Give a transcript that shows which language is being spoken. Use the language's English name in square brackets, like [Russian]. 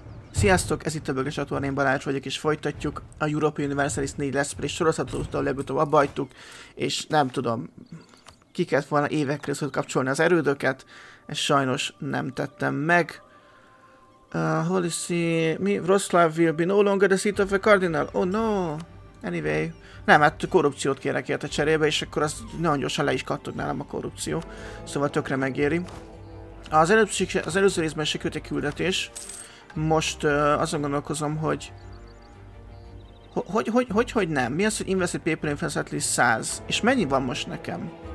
[Hungarian] Sziasztok, ez itt a Böges Atuan, én Balázs vagyok, és folytatjuk a Europa Universalis 4 Let's Play sorozatot, ahol legutóbb abba hagytuk, és nem tudom, ki kellett volna évekre szóval kapcsolni az erődöket, ezt sajnos nem tettem meg. Hol is mi? [English] Wroclaw will be no longer the seat of a cardinal. Oh no! Anyway. [Hungarian] Nem, hát korrupciót kérek érte cserébe, és akkor az nagyon gyorsan le is kattog nálam a korrupció. Szóval tökre megéri. Az előző részben sikült egy küldetés. Most azon gondolkozom, hogy... Hogy nem? Mi az, hogy [English] invested paper influence at least 100? [Hungarian] És mennyi van most nekem?